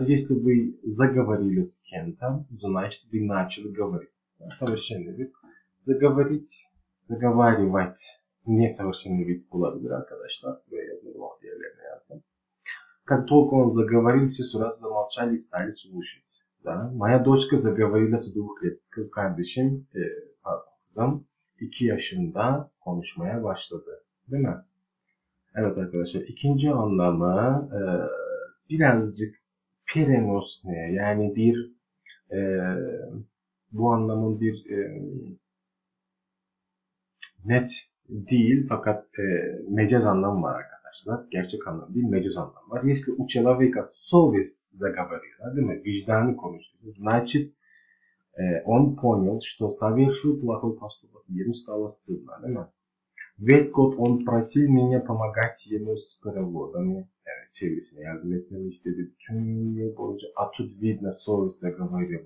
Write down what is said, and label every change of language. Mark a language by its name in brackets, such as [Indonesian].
[Russian] Если вы заговорили с кем-то, значит вы начали говорить. [Turkish] Savršenli bir zagavarit, zagavarivat ne savršenli bir olabilir arkadaşlar. Böyle bir vakti yerlerine yazdım. [Russian] Как только он заговорил, все сразу замолчали и стали слушать. Да? Моя дочка заговорила с 2 лет. [Turkish] Kız kardeşim, kızım 2 yaşında konuşmaya başladı. Değil mi? Evet arkadaşlar, ikinci anlamı birazcık perenosne, yani bir bu anlamın bir net değil fakat mecaz anlamı var arkadaşlar. Gerçek anlam değil, mecaz anlam var. [Russian] Если у человека совесть заговорила, [Turkish] değil mi? Vicdanı konuştuğunuz. [Russian] Значит, он понял, что совершил плохой поступок. Ему стало стыдно, [Turkish] değil mi? [Russian] Весь год он просил меня помогать ему с переводами. [Turkish] Evet, çevirisine yardım etmemi istedi. Tüm yıl boyunca atut [Russian] видно совесть заговорила.